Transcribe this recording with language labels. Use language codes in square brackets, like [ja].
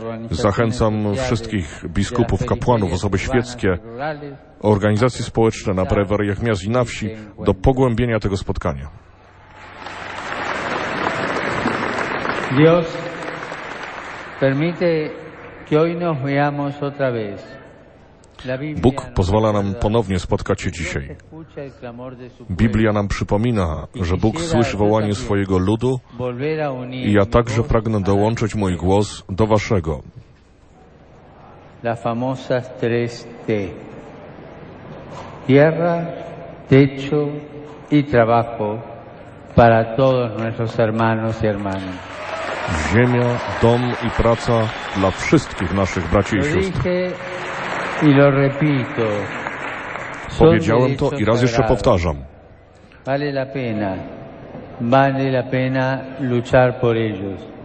[pl] Zachęcam wszystkich biskupów, kapłanów, osoby świeckie, organizacje społeczne na prewariach miast i na wsi do pogłębienia tego spotkania. [es] Dios permite que hoy nos veamos otra vez. [pl] Bóg pozwala nam ponownie spotkać się dzisiaj. Biblia nam przypomina, że Bóg słyszy wołanie swojego ludu i ja także pragnę dołączyć mój głos do waszego. [es] La famosa 3T. Tierra, techo y trabajo para todos nuestros hermanos y hermanas. [pl] Ziemia, dom i praca dla wszystkich naszych braci i sióstr. [es] Y lo repito. [pl] Powiedziałem to i raz jeszcze powtarzam. [es] Vale la pena luchar por ellos.